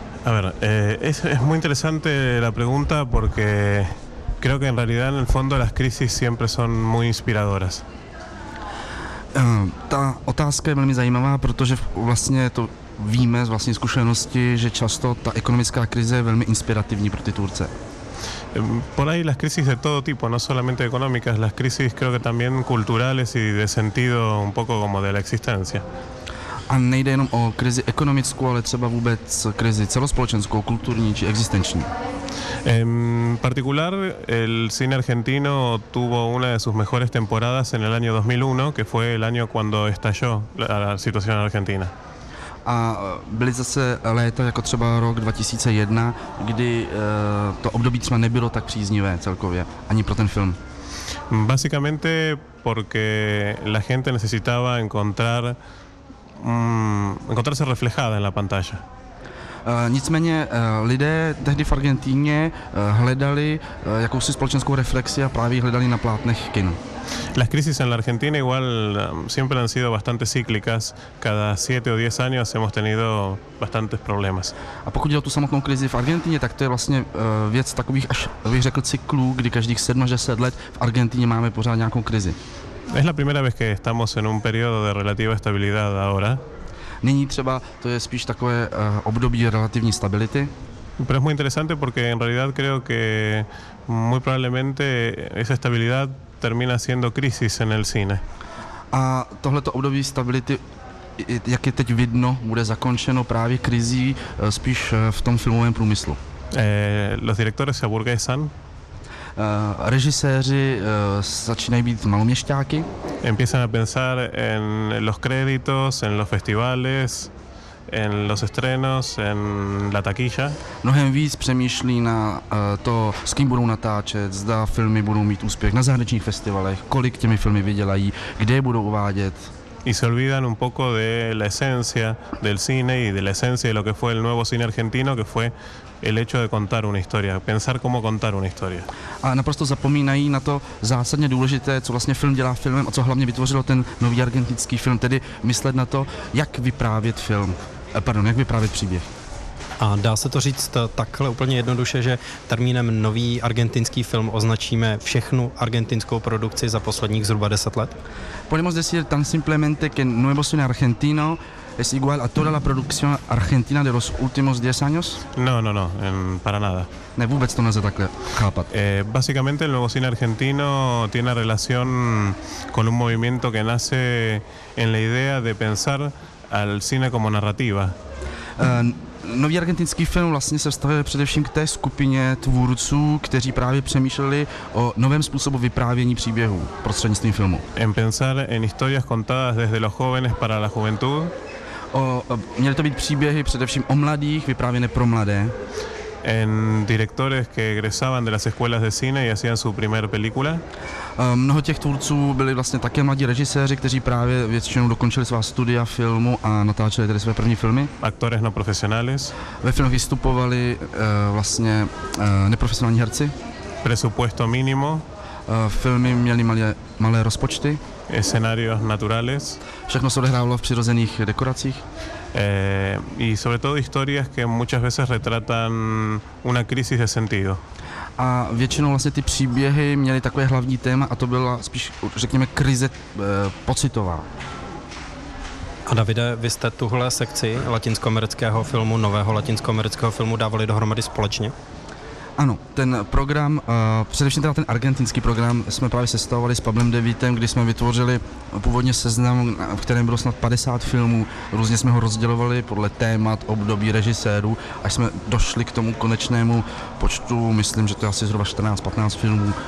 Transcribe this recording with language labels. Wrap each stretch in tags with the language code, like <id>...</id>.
<es>Es muy interesante la pregunta porque creo que en realidad, en el fondo, las crisis siempre son muy inspiradoras.</es> <cs>Ta otázka je velmi zajímavá, protože vlastně to víme z vlastní zkušenosti, že často ta ekonomická krize je velmi inspirativní pro ty tvůrce.</cs> <es>Por ahí las crisis de todo tipo, no solamente económicas, las crisis creo que también culturales y de sentido un poco como de la existencia.</es> <cs>A nejde jenom o krizi ekonomickou, ale třeba vůbec krizi celospolečenskou, kulturní či existenční.</cs> <es>En particular, el cine argentino tuvo una de sus mejores temporadas en el año 2001, que fue el año cuando estalló la situación argentina.</es> <cs>A byly zase léta, jako třeba rok 2001, kdy to období třeba nebylo tak příznivé celkově, ani pro ten film.</cs> <es>Básicamente porque la gente necesitaba encontrarse reflejada en la pantalla.</es> <cs>Nicméně lidé tehdy v Argentíně hledali jakousi společenskou reflexi a právě hledali na plátnech kinu.</cs> <es>Las crisis en la Argentina igual siempre han sido bastante cíclicas. Cada 7 o 10 años hemos tenido bastantes problemas.</es> <cs>A pokud jde o tu samotnou krizi v Argentině, tak to je vlastně věc takových až bych řekl cyklů, kdy každých 7 až 10 let v Argentině máme pořád nějakou krizi.</cs> <es>Es la primera vez que estamos en un periodo de relativa estabilidad ahora.</es> <cs>Nyní třeba to je spíš takové období relativní stability.</cs> <es>Pero es muy interesante porque en realidad creo que muy probablemente esa estabilidad termina siendo crisis en el cine.</es> <cs>A tohleto období stability, jak je teď vidno, bude zakončeno právě krizí spíš v tom filmovém průmyslu.</cs> <es>Los directores se aburguesan.</es> <cs>Režiséři začínají být maloměšťáky.</cs> <es>Empiezan a pensar en los créditos, en los festivales, en los estrenos, en la taquilla.</es> <cs>Mnohem víc přemýšlí na to, s kým budou natáčet, zda filmy budou mít úspěch na zahraničních festivalech, kolik těmi filmy vydělají, kde je budou uvádět.</cs> <es>Y se olvidan un poco de la esencia del cine y de la esencia de lo que fue el nuevo cine argentino, que fue el hecho de contar una historia, pensar cómo contar una historia.</es> <cs>A naprosto zapomínají na to zásadně důležité, co vlastně film dělá filmem a co hlavně vytvořilo ten nový argentinský film, tedy myslet na to, jak vyprávět film, jak vyprávět příběh. A dá se to říct takhle úplně jednoduše, že termínem nový argentinský film označíme všechnu argentinskou produkci za posledních zhruba 10 let?</cs> <es>Podemos decir tan simplemente que nuevo cine argentino es igual a toda la producción argentina de los últimos 10 años? No, para nada.</es> <cs>Ne, vůbec to nelze takhle chápat.</cs> <es>Básicamente el nuevo cine argentino tiene relación con un movimiento que nace en la idea de pensar al cine como narrativa.</es> <cs>Nový argentinský film vlastně se vztahuje především k té skupině tvůrců, kteří právě přemýšleli o novém způsobu vyprávění příběhů prostřednictvím filmu.</cs> <es>En pensar en historias contadas desde los jóvenes para la juventud.</es> <cs>Měly to být příběhy především o mladých, vyprávěné pro mladé.</cs> <es>En directores que egresaban de las escuelas de cine y hacían su primer película.</es> <cs>Mnoho těch tvůrců byli vlastně také mladí režiséři, kteří právě většinou dokončili svá studia filmu a natáčeli tedy své první filmy.</cs> <es>Actores no profesionales.</es> <cs>Ve filmu vystupovali vlastně neprofesionální herci.</cs> <es>Presupuesto mínimo.</es> <cs>Filmy měly malé rozpočty.</cs> <es>Escenarios naturales.</es> <cs>Všechno se odehrávalo v přirozených dekoracích.</cs> <es>Y sobre todo historias que muchas veces retratan una crisis de sentido.</es> <cs>A většinou vlastně ty příběhy měly takové hlavní téma a to byla spíš, řekněme, krize pocitová. A Davide, vy jste tuhle sekci latinskoamerického filmu, nového latinskoamerického filmu dávali dohromady společně? Ano, ten program, především teda ten argentinský program, jsme právě sestavovali s Pablem Devítem, kdy jsme vytvořili původně seznam, v kterém bylo snad 50 filmů, různě jsme ho rozdělovali podle témat, období, režisérů, až jsme došli k tomu konečnému počtu, myslím, že to je asi zhruba 14-15 filmů.</cs>